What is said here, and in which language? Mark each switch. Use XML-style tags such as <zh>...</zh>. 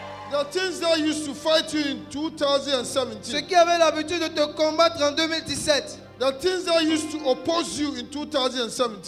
<en>The things that used to fight you in 2017.</en> <fr>Ce qui avait l'habitude de te combattre en 2017.</fr> <en>The things that used to oppose you in 2017,</en>